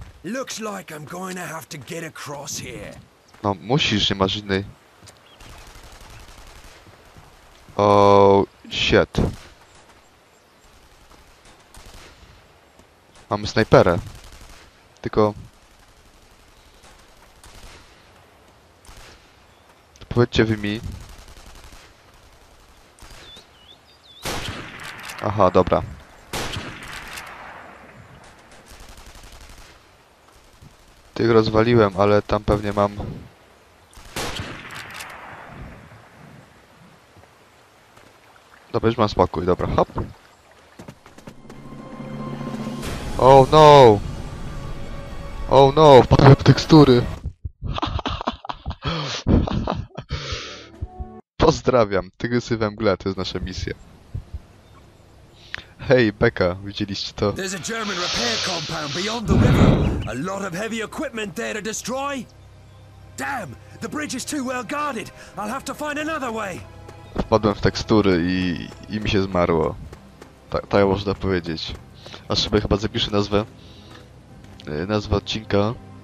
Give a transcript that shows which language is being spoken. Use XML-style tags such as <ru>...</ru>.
<en>Looks like I'm going to have to get across here.</en> <pl>No, musisz, nie masz innej.</pl> <en>Oh, shit.</en> <pl>Mamy snajperę. Tylko... Powiedzcie wy mi. Aha, dobra. Tych rozwaliłem, ale tam pewnie mam... Dobra, już mam spokój, dobra, hop.</pl> <en>Oh no! Oh no,</en> <pl>wpadłem w tekstury! Pozdrawiam, Tygrysy we mgle, to jest nasza misja. Hej, Becca, widzieliście to?</pl> <en>There's a German repair compound beyond the river. A lot of heavy equipment there to destroy. Damn, the bridge is too well guarded. I'll have to find another way.</en> <pl>Wpadłem w tekstury i mi się zmarło. Tak można powiedzieć. A sobie chyba zapiszę nazwę. Nazwę odcinka.</pl>